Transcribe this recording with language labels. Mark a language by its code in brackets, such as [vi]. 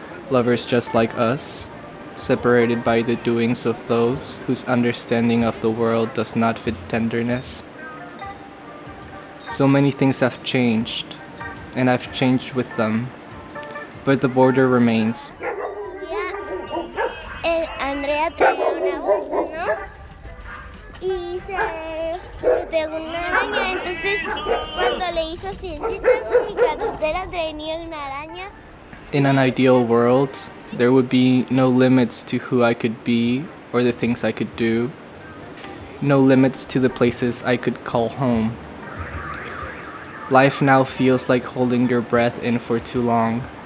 [en] Lovers just like us, separated by the doings of those whose understanding of the world does not fit tenderness. So many things have changed, and I've changed with them, but the border remains. [es] Andrea trae una bolsa, ¿no? Y se le pegó una araña. Entonces, cuando le hizo así, si tengo mi carretera, traía una araña. [en] In an ideal world, there would be no limits to who I could be or the things I could do. No limits to the places I could call home. Life now feels like holding your breath in for too long.